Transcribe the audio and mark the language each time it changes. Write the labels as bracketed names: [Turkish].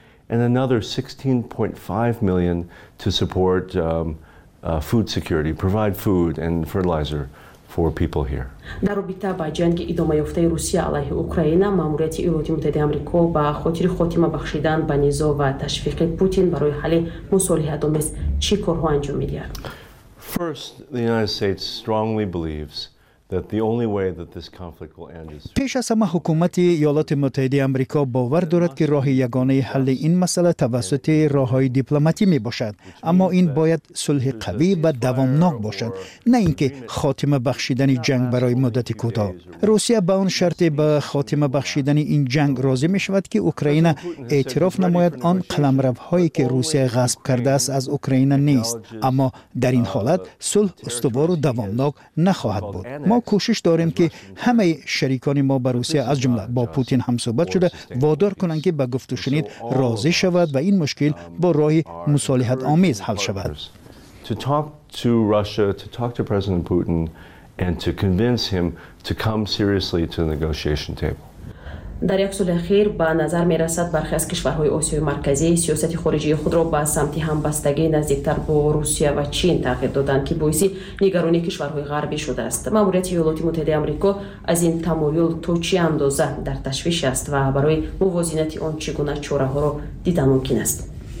[English] And another 16.5 million to support food security, provide food and fertilizer for people here. [Persian] در رابطه با جنگ ادامه یافته روسیه علیه اوکراین، ماموریت ایالات متحده آمریکا با خاطر خاتمه بخشیدن به نزاع و تشویق پوتین برای حل مصالحه دامس چی کارها انجام می‌دهد؟ [English] First, the United States strongly believes that the only way that this conflict will end is [Persian] پیش از همه حکومت ایالات متحده آمریکا باور دارد که راه یگانه حل این مسئله توسط راههای دیپلماتیک می باشد، اما این باید صلح قوی و دوامناک باشد، نه اینکه خاتمه بخشیدن جنگ برای مدت کوتاه. روسیه به آن شرط به خاتمه بخشیدن این جنگ راضی می شود که اوکراین اعتراف نماید آن قلمروهایی که روسیه غصب کرده است از اوکراین نیست، اما در این حالت صلح استوار و دوامناک نخواهد بود. ما کوشش داریم که همه شریکان ما به روسیه از جمله با پوتین هم صحبت شده وادار کنند که به گفت و شنید راضی شود و این مشکل با راه مصالحت آمیز حل شود. [English] To talk to Russia, to talk to President Putin and to convince him to come seriously to the negotiation table. [Persian] در یک سال اخیر به نظر می رسد برخی از کشورهای آسیای مرکزی سیاست خارجی خود را به سمت همبستگی نزدیکتر با روسیه و چین تغییر دادند که باعث نگرانی کشورهای غربی شده است. ماموریت ایالات متحده آمریکا از این تمایل تا چه اندازه در تشویش است و برای موازنت آن چگونه چاره ها را دیدن ممکن است؟